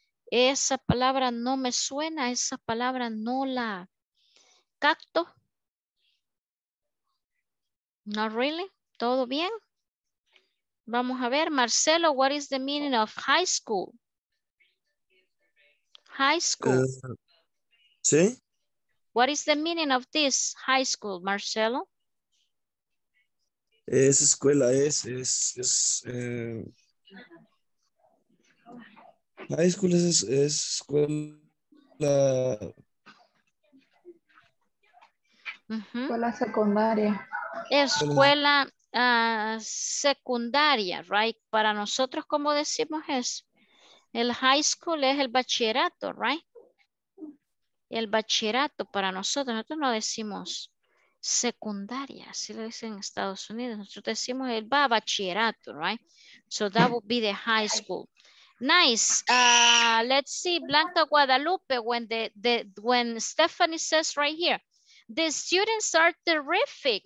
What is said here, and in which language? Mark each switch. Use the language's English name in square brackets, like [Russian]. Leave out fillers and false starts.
[Spanish] Esa palabra no me suena, esa palabra no la capto. [English] Not really, [Spanish] todo bien. Vamos a ver, [English] Marcelo, what is the meaning of high school? High school. [Spanish] Sí. [English] What is the meaning of this high school, Marcelo? [Spanish] Es escuela, es high school es escuela. Escuela secundaria. Escuela secundaria, right? Para nosotros, ¿cómo decimos eso? El high school es el bachillerato, right? El bachillerato para nosotros, nosotros no decimos secundaria, así lo dicen en Estados Unidos, nosotros decimos el bachillerato, right? [English] So that would be the high school. Nice. Let's see, Blanca Guadalupe, when Stephanie says right here, the students are terrific.